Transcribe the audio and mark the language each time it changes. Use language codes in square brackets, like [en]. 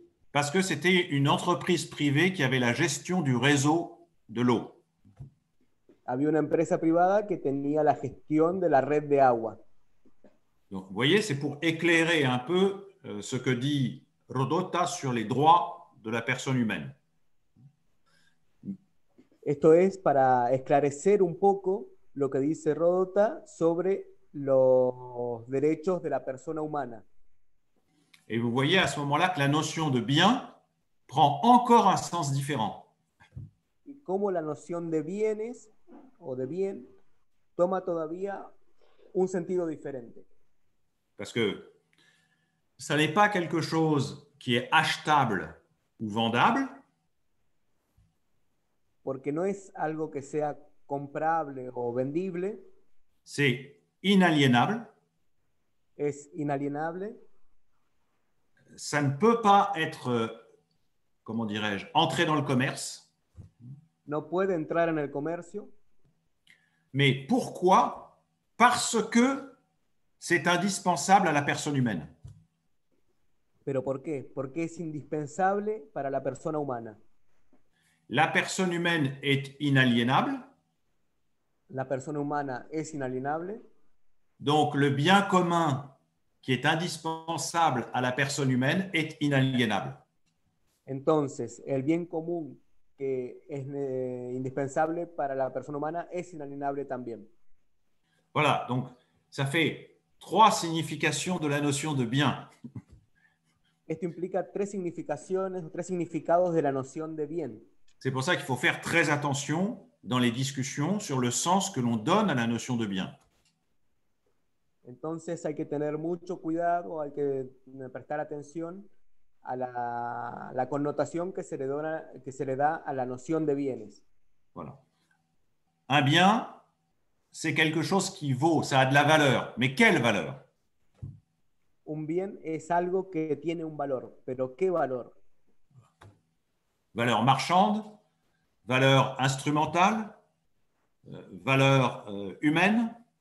[fr] Parce que c'était une entreprise privée qui avait la gestion du réseau de l'eau. [es] Había una empresa privada que tenía la gestión de la red de agua. [fr] Donc, vous voyez, c'est pour éclairer un peu ce que dit Rodotta sur les droits de la personne humaine. [es] Esto es para esclarecer un poco lo que dice Rodotta sobre los derechos de la persona humana. [fr] Et vous voyez à ce moment-là que la notion de bien prend encore un sens différent. [es] Y cómo la noción de bienes o de bien toma todavía un sentido diferente. [fr] Parce que ça n'est pas quelque chose qui est achetable ou vendable. [es] Porque no es algo que sea comprable o vendible. [fr] C'est inaliénable. [es] Es inalienable. [fr] Ça ne peut pas être, comment dirais-je, entré dans le commerce. [es] No puede entrar en el comercio. [fr] Mais pourquoi? Parce que c'est indispensable à la personne humaine. [es] Pero por qué? Porque es indispensable para la persona humana. [fr] La personne humaine est inaliénable. [es] La persona humana es inalienable. [fr] Donc le bien commun qui est indispensable à la personne humaine est inaliénable. [es] Entonces, el bien común que es indispensable para la persona humana es inalienable también. [fr] Voilà, donc ça fait trois significations de la notion de bien. [es] Esto implica tres significaciones o tres significados de la noción de bien. [fr] C'est pour ça qu'il faut faire très attention dans les discussions sur le sens que l'on donne à la notion de bien. [es] Entonces hay que tener mucho cuidado, hay que prestar atención a la connotación que se le da a la noción de bienes. [fr] Voilà. Un bien, c'est quelque chose qui vaut, ça a de la valeur. Mais quelle valeur? [es] Un bien es algo que tiene un valor, pero ¿qué valor? [fr] Valeur marchande, valeur instrumentale, valeur humaine.